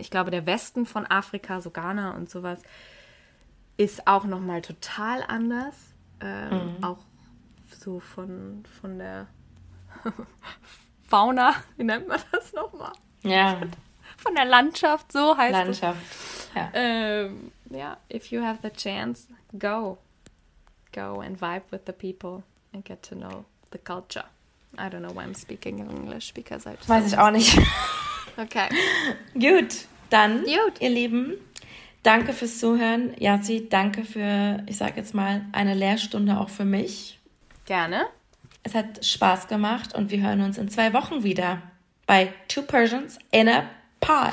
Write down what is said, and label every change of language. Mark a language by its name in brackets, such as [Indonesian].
[German] Ich glaube, der Westen von Afrika, so Ghana und sowas, ist auch nochmal total anders. Auch so von der Fauna, wie nennt man das nochmal? Ja. Von der Landschaft, so heißt es. Landschaft, [English] Yeah, if you have the chance, go. Go and vibe with the people and get to know the culture. I don't know why I'm speaking in English, because I just... [German] Weiß ich auch nicht. Okay. Gut, dann, ihr Lieben, danke fürs Zuhören. Yassi, danke für, ich sag jetzt mal, eine Lehrstunde auch für mich. Gerne. Es hat Spaß gemacht und wir hören uns in 2 Wochen wieder bei Two Persians in a Pod.